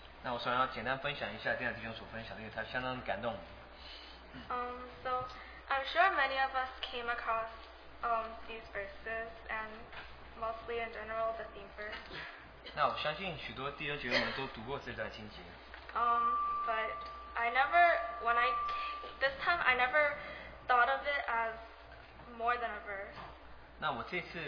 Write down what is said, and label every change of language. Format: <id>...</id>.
<zh>那我想要简单分享一下第二弟兄所分享的，因为他相当感动。</zh> <en>So I'm sure many of us came across these verses, and mostly in general the theme verse.</en> <zh>那我相信许多弟兄姐妹们都读过这段经节。</zh> <en>But I never, when I this time I never thought of it as more than a verse.</en>